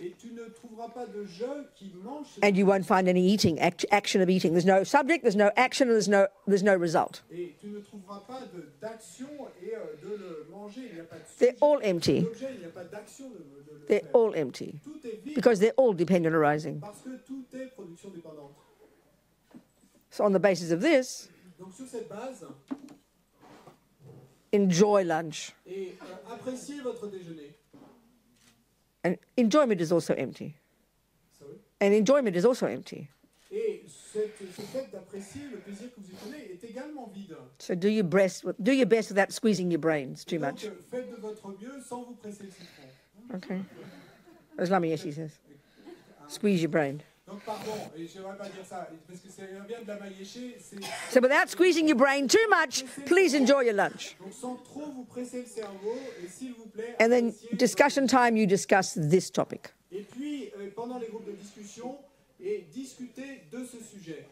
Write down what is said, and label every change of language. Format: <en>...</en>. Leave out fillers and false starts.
<fr>Et tu ne trouveras pas de jeu qui mange.</fr> <en>And you won't find any eating, action of eating. There's no subject, there's no action, and there's no result.</en> <fr>Et tu ne trouveras pas d'action et de le manger. Il n'y a pas de sujet.</fr> <en>They're all empty.</en> <fr>Il n'y a pas d'action de le</fr> <en>they're</en> <fr>faire.</fr> <en>All empty.</en> <fr>Tout est vide.</fr> <en>Because they're all dependent arising.</en> <fr>Parce que tout est production dépendante.</fr> <en>So on the basis of this,</en> <fr>donc sur cette base,</fr> <en>enjoy lunch.</en> <fr>Et appréciez votre déjeuner.</fr> <en>And enjoyment is also empty. Sorry? And enjoyment is also empty.</en> <fr>Et ce fait d'apprécier le plaisir que vous éprouvez est également vide.</fr> <en>So do your best without squeezing your brains too</en> <fr>donc,</fr> <en>much.</en> <fr>Faites de votre mieux sans vous presser le citron.</fr> <en>Okay. As Lama Yeshe says. Squeeze your brain.</en> <fr>Donc pardon, et je ne vais pas dire ça, parce que c'est un bien de la maillécher, c'est...</fr> <en>So without squeezing your brain too much, please enjoy your lunch.</en> <fr>Donc sans trop vous presser le cerveau, et s'il vous plaît...</fr> <en>And then discussion time, you discuss this topic.</en> <fr>Et puis, pendant les groupes de discussion, et discutez de ce sujet.</fr>